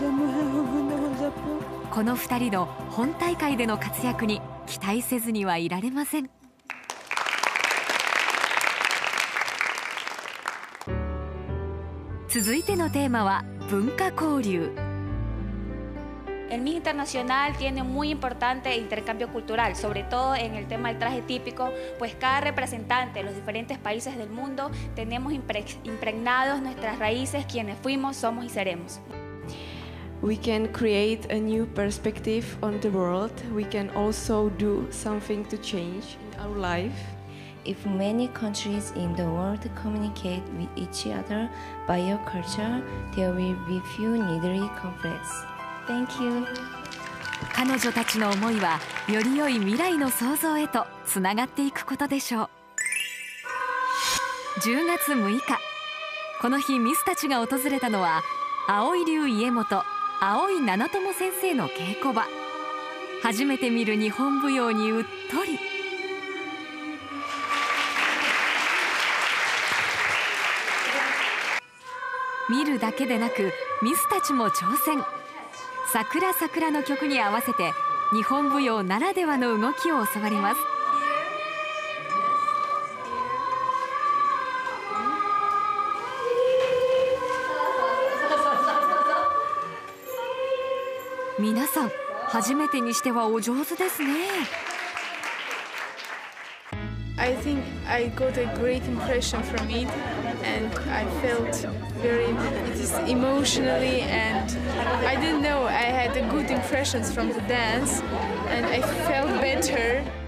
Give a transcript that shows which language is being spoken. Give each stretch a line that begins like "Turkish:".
Japanese: この二人の本大会での活躍に期待せずにはいられません。続いてのテーマは文化交流。
Spanish: El Miss Internacional tiene muy importante intercambio cultural, sobre todo en el tema del traje típico, pues cada representante de los diferentes países del mundo tenemos impregnados nuestras raíces, quienes fuimos, somos y seremos.
English: We can create a new perspective on the world. We can also do something to change in our life. If many countries in the world communicate with each other by your culture, there will be few needly conflicts. Thank you.
Japanese: 彼女たちの思いはより良い未来の創造へとつながっていくことでしょう。 10月6日、この日ミスたちが訪れたのは葵流家元葵七友先生の稽古場。初めて見る日本舞踊にうっとり。見るだけでなくミスたちも挑戦。桜桜の曲に合わせて日本舞踊ならではの動きを教わります。皆さん初めてにしてはお上手ですね。
English: I think I got a great impression from it, and I felt very, it is emotionally, and I didn't know I had a good impressions from the dance, and I felt better.